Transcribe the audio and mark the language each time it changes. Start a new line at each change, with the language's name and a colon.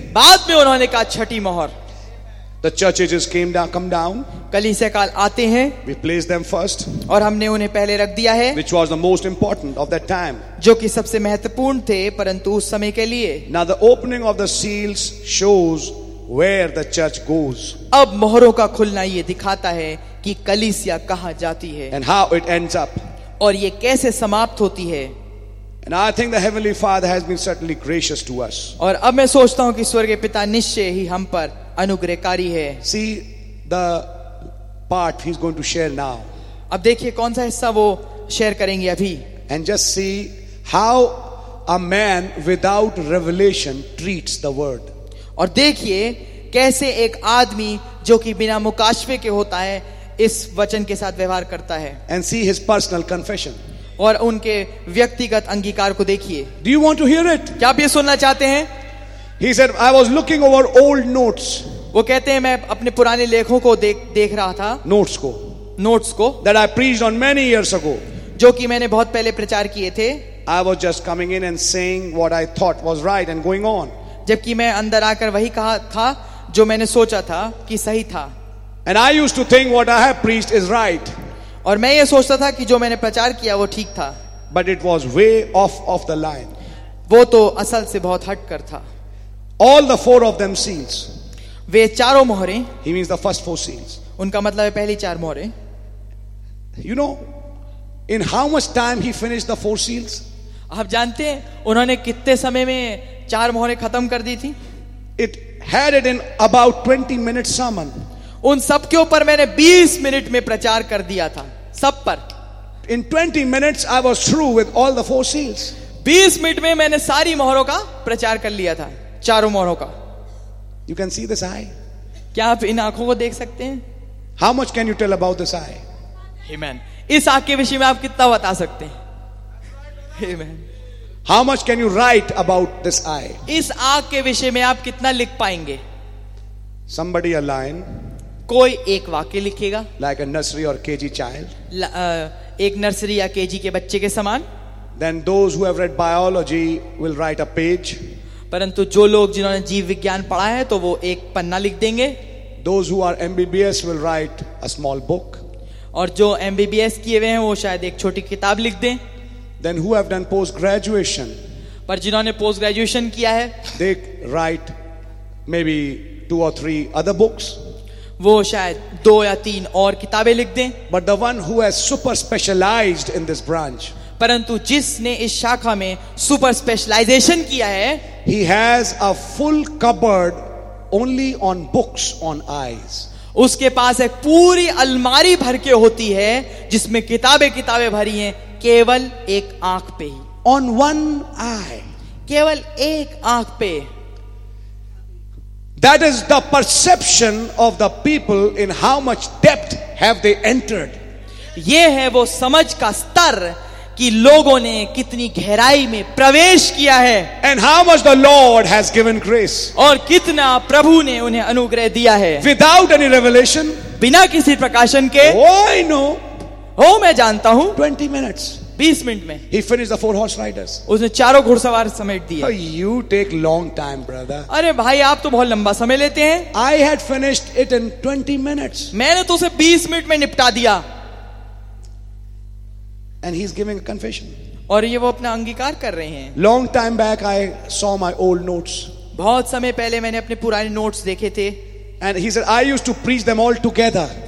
Hindi: बाद में उन्होंने कहा छठी मोहर.
English: The church ages come down.
Hindi: कलीसिया काल आते हैं.
English: We place them first.
Hindi: और हमने उन्हें पहले रख दिया है.
English: Which was the most important of that time.
Hindi: जो कि सबसे महत्वपूर्ण थे परंतु उस समय के लिए.
English: Now the opening of the seals shows where the church goes.
Hindi: अब मोहरों का खुलना ये दिखाता है कि कलीसिया कहाँ जाती है.
English: And how it ends up.
Hindi: और ये कैसे समाप्त होती है.
English: And I think the Heavenly Father has been certainly gracious to us.
Hindi: और अब मैं सोचता हूँ कि स्वर्गीय पिता निश्चय ही हम पर अनुग्रहकारी है.
English: See the part he's going to share now.
Hindi: अब देखिए कौन सा हिस्सा वो शेयर करेंगे अभी.
English: And just see how a man without revelation treats the word.
Hindi: और देखिए कैसे एक आदमी जो कि बिना मुकाशफे के होता है इस वचन के साथ व्यवहार करता है.
English: And see his personal confession.
Hindi: और उनके व्यक्तिगत अंगीकार को देखिए.
English: Do you want to hear it?
Hindi: क्या आप ये सुनना चाहते हैं?
English: He said, I was looking over old notes.
Hindi: वो कहते हैं मैं अपने पुराने लेखों को देख रहा था. Notes को.
English: That I preached on many years ago.
Hindi: जो कि मैंने बहुत पहले प्रचार किए थे.
English: I was just coming in and saying what I thought was right and going on.
Hindi: जबकि मैं अंदर आकर वही कहा था जो मैंने सोचा था कि सही था.
English: And I used to think what I have preached is right.
Hindi: और मैं ये सोचता था कि जो मैंने प्रचार किया वो ठीक था.
English: But it was way off of the line.
Hindi: वो तो असल से बहुत हटकर था.
English: All the four of them seals.
Hindi: वे चारों मोहरें.
English: He means the first four seals.
Hindi: उनका मतलब है पहली चार मोहरें.
English: You know, in how much time he finished the four seals?
Hindi: आप जानते हैं उन्होंने कितने समय में चार मोहरें खत्म कर दी थी?
English: It had it in about 20 minutes sermon.
Hindi: उन सब के ऊपर मैंने 20 मिनट में प्रचार कर दिया था सब पर.
English: In 20 minutes I was through with all the four seals.
Hindi: 20 minute में मैंने सारी मोहरों का प्रचार कर लिया था चारों मोहरों का.
English: You can see this eye.
Hindi: क्या आप इन आंखों को देख सकते हैं?
English: How much can you tell about this eye? Amen.
Hindi: इस आंख के विषय में आप कितना बता सकते हैं?
English: Amen. How much can you write about this eye?
Hindi: इस आंख के विषय में आप कितना लिख पाएंगे?
English: Somebody a line.
Hindi: कोई एक वाक्य लिखेगा.
English: Like a nursery or KG child.
Hindi: एक नर्सरी या केजी के बच्चे के समान.
English: Then those who have read biology will write a page.
Hindi: परंतु जो लोग जिन्होंने जीव विज्ञान पढ़ा है तो वो एक पन्ना लिख देंगे.
English: Those who are MBBS will write a small book.
Hindi: और जो MBBS किए हुए हैं वो शायद एक छोटी किताब लिख दें.
English: Then who have done post graduation?
Hindi: पर जिन्होंने पोस्ट ग्रेजुएशन किया है.
English: They write maybe 2 or 3 other books.
Hindi: वो शायद 2 या 3 और किताबें लिख दें.
English: But the one who has super specialized in this branch.
Hindi: परंतु जिसने इस शाखा में सुपर स्पेशलाइजेशन किया है.
English: He has a full cupboard only on books on eyes.
Hindi: उसके पास एक पूरी अलमारी भर के होती है जिसमें किताबें भरी हैं केवल एक आंख पे ही.
English: On one eye.
Hindi: केवल एक आंख पे.
English: That is the perception of the people in how much depth have they entered.
Hindi: ये है वो समझ का स्तर कि लोगों ने कितनी गहराई में प्रवेश किया है.
English: And how much the Lord has given grace.
Hindi: और कितना प्रभु ने उन्हें अनुग्रह दिया है.
English: Without any revelation.
Hindi: बिना किसी प्रकाशन के.
English: Oh, I know.
Hindi: मैं जानता हूँ.
English: 20 minutes.
Hindi: 20 minutes में.
English: He finished the 4 horse riders.
Hindi: उसने चारों घुड़सवार समेट दिए.
English: You take long time, brother.
Hindi: अरे भाई आप तो बहुत लंबा समय लेते हैं.
English: I had finished it in 20 minutes.
Hindi: मैंने तो उसे 20 minutes में निपटा दिया.
English: And he's giving a confession.
Hindi: और ये वो अपना अंगीकार कर रहे हैं.
English: Long time back, I saw my old notes.
Hindi: बहुत समय पहले मैंने अपने पुराने नोट्स देखे थे.
English: And he said, I used to preach them all together.